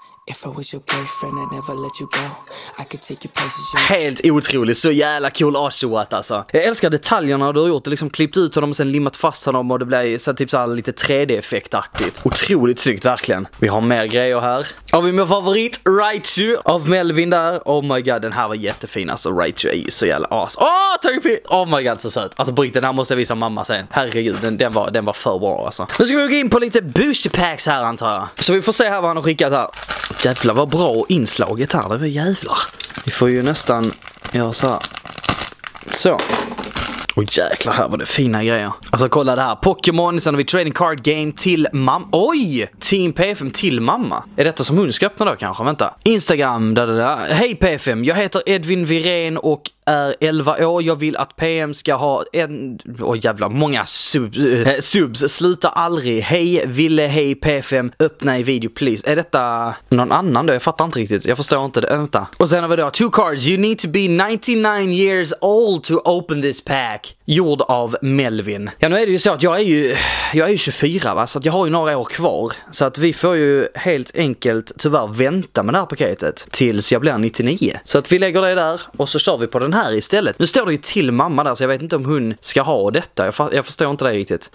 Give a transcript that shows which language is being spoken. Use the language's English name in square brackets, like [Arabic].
[English] If I was your boyfriend, I'd never let you go. I could take you places. [Swedish] Helt otroligt, så jävla cool artwork alltså. Jag älskar detaljerna du har gjort. Du liksom klippt ut honom och sen limmat fast honom. Och det blir så typ såhär lite 3D-effektaktigt. Otroligt snyggt, verkligen. Vi har mer grejer här. Har vi min favorit, Raichu, av Melvin där. [English] Oh my god, [Swedish] den här var jättefin. Alltså Raichu är ju så jävla ass. Åh, tack för det. Oh my god, så söt. Alltså på riktigt, den här måste jag visa mamma sen. Herregud, den var för bra alltså. Nu ska vi gå in på lite Busher Packs här, antar jag. Så vi får se här vad han har skickat här. Jävlar vad bra inslaget här, det var jävlar. Vi får ju nästan göra såhär. Så. Åh jäklar, här var det fina grejer. Alltså kolla det här, Pokémon, sen har vi trading card game till mamma. Oj, Team PFM till mamma. Är detta som hon ska öppna då kanske, vänta. Instagram, dadada. Hej PFM, jag heter Edvin Viren och är 11 år. Jag vill att PM ska ha en... Åh jävlar, många subs. Sluta aldrig. Hej, Ville, hej PFM. Öppna i video, [English] please. [Swedish] Är detta någon annan då? Jag fattar inte riktigt. Jag förstår inte det. Vänta. Och sen har vi då [English] two cards. You need to be 99 years old to open this pack. [Swedish] Gjord av Melvin. Ja, nu är det ju så att jag är ju 24 va, så att jag har ju några år kvar. Så att vi får ju helt enkelt tyvärr vänta med det här paketet tills jag blir 99. Så att vi lägger det där och så kör vi på den här istället. Nu står det ju till mamma där, så jag vet inte om hon ska ha detta. Jag förstår inte det riktigt.